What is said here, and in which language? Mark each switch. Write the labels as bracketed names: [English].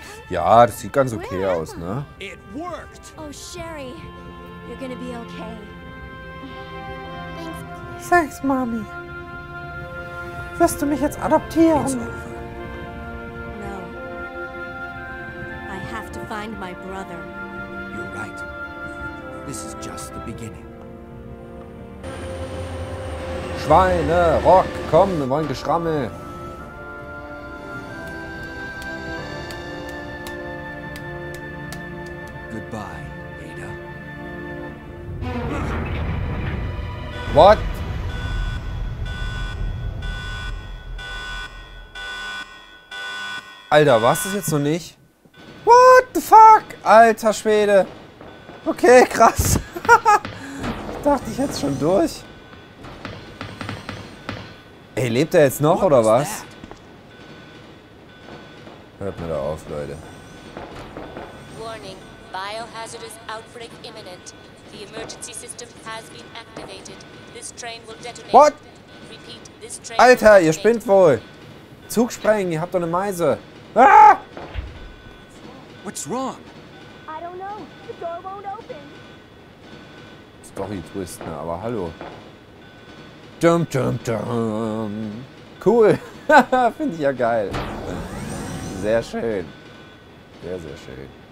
[German] Ja, das sieht ganz okay aus, ne? [English] It worked. Oh Sherry, you're gonna be okay. Thanks, Mami. [German] Wirst du mich jetzt adoptieren? [English] No. I have to find my brother. You're right. This is just the beginning. [German] Schweine, Rock, komm, wir wollen Geschrammel. [English] Goodbye, Ada. What? [German] Alter, warst du das jetzt noch nicht? [English] What the fuck? [German] Alter Schwede. Okay, krass. Ich dachte, ich hätte schon durch. Ey, lebt er jetzt noch oder was? Hört mir da auf, Leute. [English] Warning. Biohazardous outbreak imminent. The emergency system has been activated. This train will detonate. What? Repeat, this train [German] Alter, ihr spinnt wohl. Zug sprengen, ihr habt doch eine Meise. Ah! [English] What's wrong? I don't know. The door won't open. [German] Story-Twist, ne? Aber hallo. Dum, dum, dum. Cool. Finde ich ja geil. Sehr schön. Sehr, sehr schön.